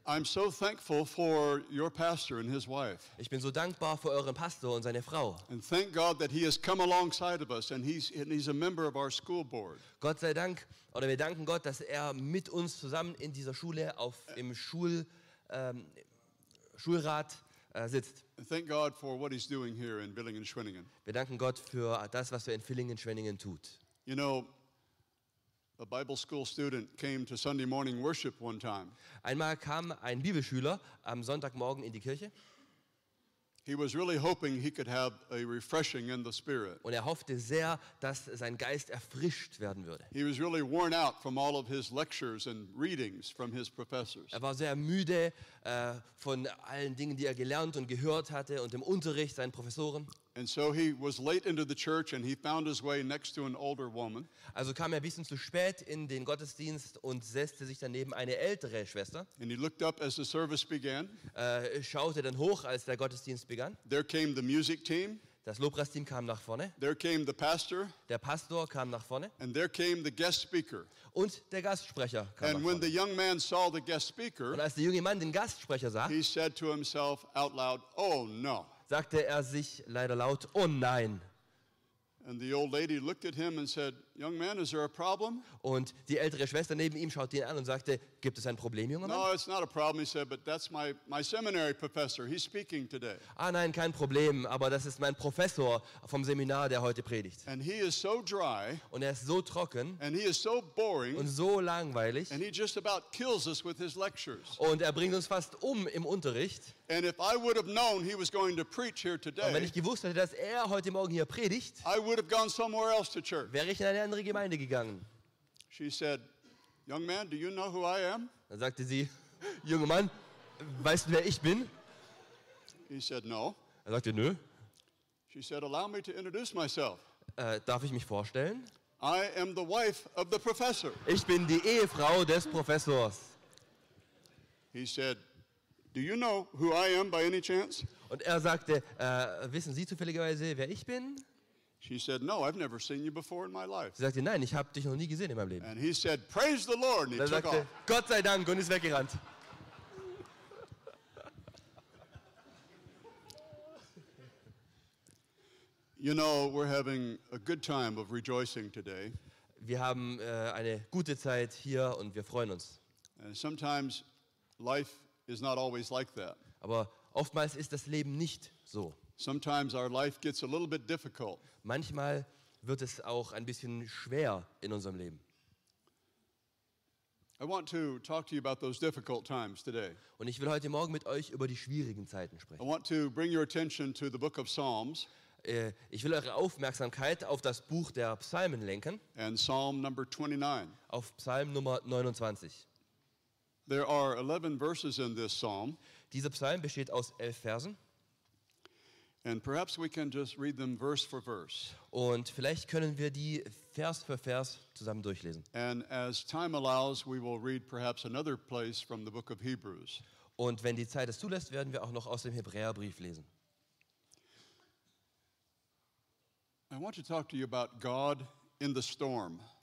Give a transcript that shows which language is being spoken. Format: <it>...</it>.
<en>I'm so thankful for your pastor and his wife.</en> <de>Ich bin so dankbar für euren Pastor und seine Frau.</de> <en>And thank God that he has come alongside of us and he's a member of our school board.</en> <de>Gott sei Dank, oder wir danken Gott, dass er mit uns zusammen in dieser Schule auf im Schulrat sitzt.</de> <en>Thank God for what he's doing here in Villingen-Schwenningen.</en> <de>Wir danken Gott für das, was er in Villingen-Schwenningen tut.</de> <en>You know, a Bible school student came to Sunday morning worship one time.</en> <de>Einmal kam ein Bibelschüler am Sonntagmorgen in die Kirche.</de> <en>He was really hoping he could have a refreshing in the spirit.</en> <de>Und er hoffte sehr, dass sein Geist erfrischt werden würde.</de> <en>He was really worn out from all of his lectures and readings from his professors.</en> <de>Er war sehr müde von allen Dingen, die er gelernt und gehört hatte und dem Unterricht seinen Professoren.</de> <en>And so he was late into the church and he found his way next to an older woman.</en> <de>Also kam er ein bisschen zu spät in den Gottesdienst und setzte sich daneben eine ältere Schwester.</de> <en>And he looked up as the service began.</en> <de>Schaute dann hoch, als der Gottesdienst begann.</de> <en>There came the music team.</en> <de>Das Lobpreisteam kam nach vorne.</de> <en>There came the pastor.</en> <de>Der Pastor kam nach vorne.</de> <en>And there came the guest speaker.</en> <de>Und der Gastsprecher kam nach vorne.</de> <en>And when the young man saw the guest speaker,</en> <de>und als der junge Mann den Gastsprecher sah,</de> <en>he said to himself out loud, "Oh no."</en> <de>Sagte er sich leider laut, oh nein.</de> <en>And the old lady looked at him and said, "Young man, is there a problem?"</en> <de>Und die ältere Schwester neben ihm schaute ihn an und sagte, "Gibt es ein Problem, junger Mann?"</de> <en>"No, it's not a problem," he said, "but that's my seminary professor. He's speaking today."</en> <de>Ah, nein, kein Problem, aber das ist mein Professor vom Seminar, der heute predigt.</de> <en>And he is so dry.</en> <de>Und er ist so trocken.</de> <en>And he is so boring.</en> <de>Und so langweilig.</de> <en>And he just about kills us with his lectures.</en> <de>Und er bringt uns fast um im Unterricht.</de> <en>And if I would have known he was going to preach here today,</en> <de>und wenn ich gewusst hätte, dass er heute Morgen hier predigt,</de> <en>I would have gone somewhere else to church.</en> <de>Wäre ich in eine andere Gemeinde gegangen.</de> <en>She said, "Young man, do you know who I am?"</en> <de>Dann sagte sie, junger Mann, weißt du, wer ich bin?</de> <en>He said, "No."</en> <de>Er sagte, nö.</de> <en>She said, "Allow me to introduce myself."</en> <de>Darf ich mich vorstellen?</de> <en>I am the wife of the professor.</en> <de>Ich bin die Ehefrau des Professors.</de> <en>He said, "Do you know who I am by any chance?"</en> <de>Und er sagte, wissen Sie zufälligerweise, wer ich bin?</de> <en>She said, "No, I've never seen you before in my life."</en> <de>Sie sagte, nein, ich habe dich noch nie gesehen in meinem Leben.</de> <en>And he said, "Praise the Lord."</en> <de>Er sagte, Gott sei Dank, und ist weggerannt.</de> <en>You know, we're having a good time of rejoicing today.</en> <de>Wir haben eine gute Zeit hier und wir freuen uns.</de> <en>And sometimes life is not always like that.</en> <de>Aber oftmals ist das Leben nicht so.</de> <en>Sometimes our life gets a little bit difficult.</en> <de>Manchmal wird es auch ein bisschen schwer in unserem Leben.</de> <en>I want to talk to you about those difficult times today.</en> <de>Und ich will heute Morgen mit euch über die schwierigen Zeiten sprechen.</de> <en>I want to bring your attention to the book of Psalms.</en> <de>Ich will eure Aufmerksamkeit auf das Buch der Psalmen lenken.</de> <en>And Psalm number 29.</en> <de>Auf Psalm Nummer 29.</de> <en>There are 11 verses in this psalm.</en> <de>Dieser Psalm besteht aus 11 Versen.</de> <en>And perhaps we can just read them verse for verse.</en> <de>Und vielleicht können wir die Vers für Vers zusammen durchlesen.</de> <en>And as time allows, we will read perhaps another place from the book of Hebrews.</en> <de>Und wenn die Zeit es zulässt, werden wir auch noch aus dem Hebräerbrief lesen.</de> <en>I want to talk to you about God in the storm.</en>